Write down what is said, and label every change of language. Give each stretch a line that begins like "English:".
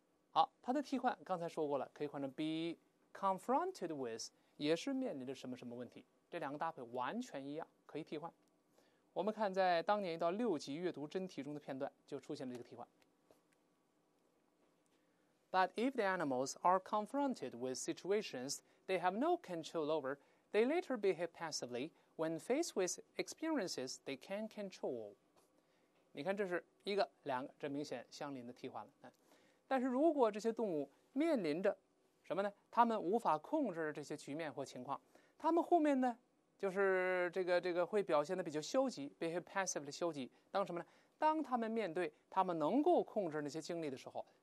Chinese: 好，它的替换刚才说过了，可以换成 be confronted with， 也是面临着什么什么问题，这两个搭配完全一样，可以替换。我们看在当年一道6级阅读真题中的片段，就出现了这个替换。
English: But if the animals are confronted with situations they have no control over, they later behave passively when faced with experiences they can control.
Chinese: 你看，这是一个两个，这明显相邻的替换了。但是如果这些动物面临着什么呢，他们无法控制这些局面或情况，他们后面呢就是这个会表现的比较消极， behave passively 消极，当什么呢，当他们面对他们能够控制那些经历的时候，